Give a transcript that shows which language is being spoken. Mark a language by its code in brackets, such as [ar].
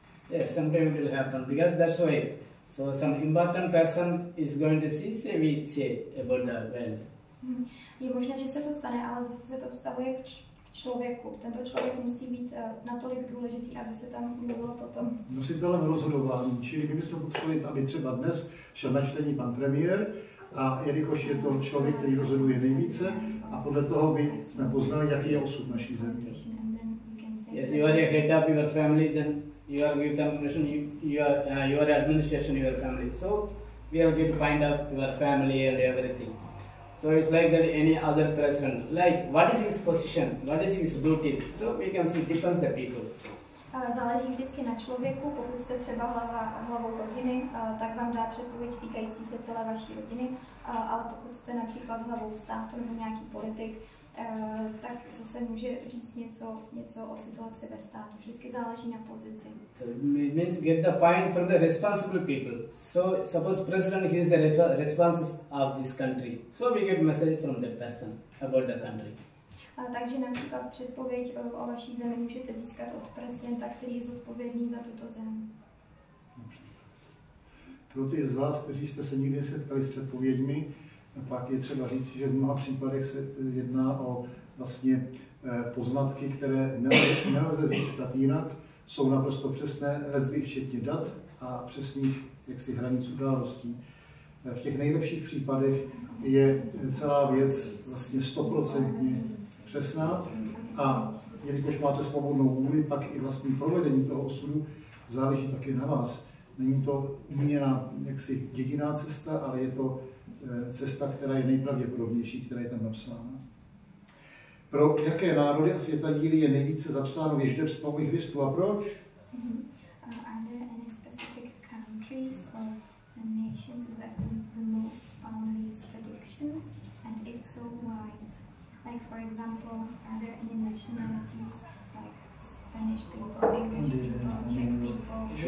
[en] Yes, sometimes it will happen because that's why. So some important person is going to see, say we say about the well. [cs] Je možné, že se to stane, ale zase se to vztahuje k člověku. Tento člověk musí být natolik důležitý, aby se tam mluvilo potom. Nositelem rozhodování, čili my bychom potřebovali, aby třeba dnes šel na čtení pan premiér, a jelikož je to člověk, který rozhoduje nejvíce, a podle toho by jsme poznali, jaký je osud naší země. [en] Yes, you are the head of your family, then you are with them, you are administration your family. So we are going to find out your family and everything. So it's like that any other person, like what is his position, what is his duties, so we can see depends the people. [cs] Záleží vždycky na člověku, pokud jste třeba hlavou rodiny, tak vám dá předpověď týkající se celé vaší rodiny, ale pokud jste například hlavou státu nebo nějaký politik, tak zase může říct něco o situaci ve státu. Vždycky záleží na pozici. [en] So it means get the point from the responsible people. So suppose president is the responsible of this country. So we get message from the person about the country. [cs] Takže například předpověď o vaší zemi můžete získat od prezidenta, který je zodpovědný za tuto zem. Pro ty z vás, kteří jste se nikdy setkali s předpověďmi, pak je třeba říci, že v mnoha případech se jedná o vlastně poznatky, které nelze získat jinak, jsou naprosto přesné, lezby včetně dat a přesných jaksi hranic událostí. V těch nejlepších případech je celá věc vlastně 100% přesná a jelikož máte svobodnou vůli, pak i vlastní provedení toho osudu záleží také na vás. Není to uměná jaksi jediná cesta, ale je to cesta, která je nejpravděpodobnější, která je tam napsána. Pro jaké národy a světadíly je nejvíce zapsáno věždeb z povolých listů a proč? [en] Are there any specific countries or nations who have the most families prediction? And if so, why? Like for example, are there any nationalities like Spanish people, English people, Czech people?